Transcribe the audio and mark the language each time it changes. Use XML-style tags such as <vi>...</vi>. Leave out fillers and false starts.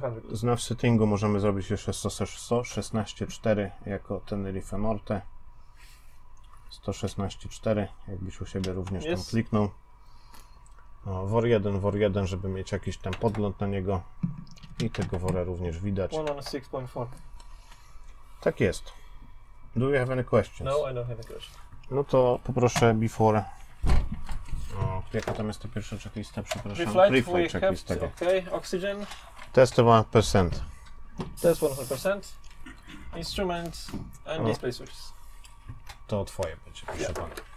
<pl>Z NAV settingu możemy zrobić jeszcze 116.4 jako Tenerife Norte. 116.4, jakbyś u siebie również tam kliknął. No, WOR 1, WOR 1, żeby mieć jakiś tam podgląd na niego. I tego WORa również widać. 116.4. Tak jest.</pl> <en>Do you have any questions? No, I don't have any questions.</en> <pl>No to poproszę before. No, jaka tam jest ta pierwsza checklista, przepraszam, pre-flight checklista. Okay. Oxygen.</pl> <en>Test 100%. Test 100%. Instrument and display switches.</en> <pl>To twoje będzie, proszę pana.</pl>